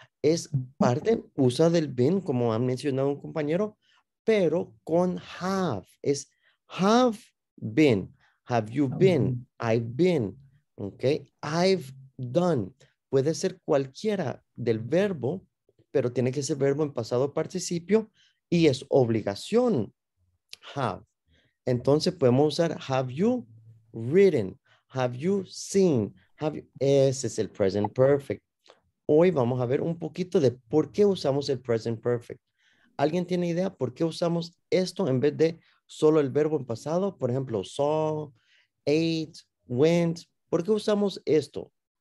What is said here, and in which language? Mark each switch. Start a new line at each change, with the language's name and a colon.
Spanish: Es parte, usa del being, como ha mencionado un compañero, pero con have. Es
English: have been. Have you been? I've been. Okay. I've done.
Spanish: Puede ser cualquiera del verbo, pero tiene que ser verbo en pasado participio y es obligación, have. Entonces podemos usar
English: have you written, have you seen, have you,
Spanish: ese es el
English: present perfect.
Spanish: Hoy vamos a ver un poquito de por qué usamos el present perfect. ¿Alguien tiene idea por qué usamos esto en vez de solo el verbo en pasado? Por ejemplo, saw, ate, went. ¿Por qué usamos esto?